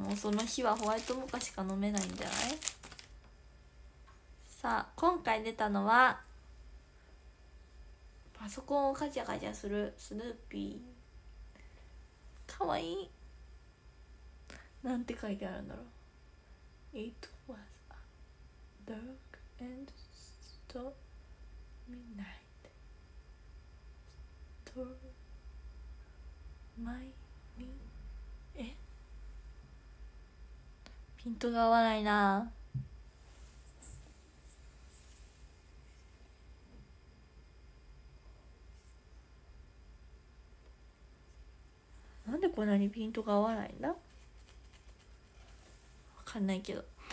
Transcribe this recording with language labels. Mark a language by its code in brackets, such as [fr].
[ja] もうその日はホワイトモカしか飲めないんじゃない。さあ今回出たのはパソコンをガチャガチャするスヌーピー。かわいい。なんて書いてあるんだろう。 [en] It was a dark and stormy night stormy my me。 [ja] え、ピントが合わないな。なんでこんなにピントが合わないんだ、わかんないけど。